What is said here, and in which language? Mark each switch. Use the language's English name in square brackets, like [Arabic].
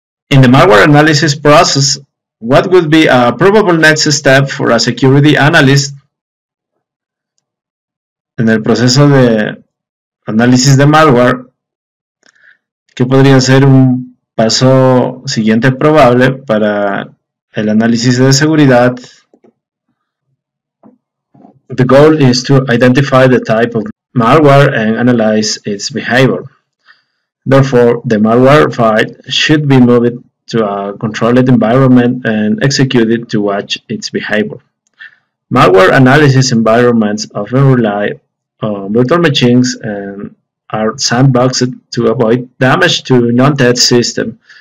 [English] In the malware analysis process, what would be a probable next step for a security analyst? [Spanish] En el proceso de análisis de malware, ¿qué podría ser un paso siguiente probable para el análisis de seguridad? [English] The goal is to identify the type of malware and analyze its behavior. Therefore, the malware file should be moved to a controlled environment and executed to watch its behavior. Malware analysis environments often rely on virtual machines and are sandboxed to avoid damage to non-test system.